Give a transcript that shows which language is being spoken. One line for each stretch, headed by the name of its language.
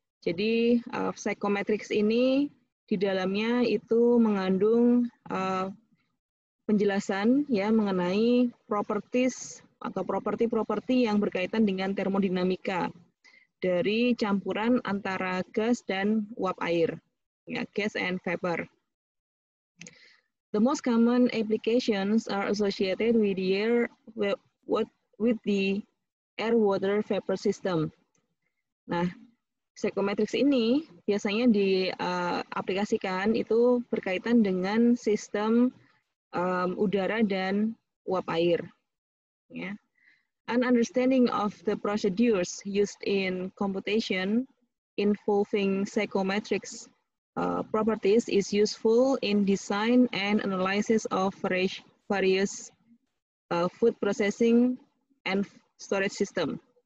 Indonesian: Jadi, psychometrics ini di dalamnya itu mengandung penjelasan ya mengenai properties atau properti-properti yang berkaitan dengan termodinamika dari campuran antara gas dan uap air, ya,
English: gas and vapor. The most common applications are associated with the air with the air water vapor system.
Indonesian: Nah, psychometrics ini biasanya diaplikasikan itu berkaitan dengan sistem udara dan uap air. Ya.
English: An understanding of the procedures used in computation involving psychometrics properties is useful in design and analysis of various food processing and storage system.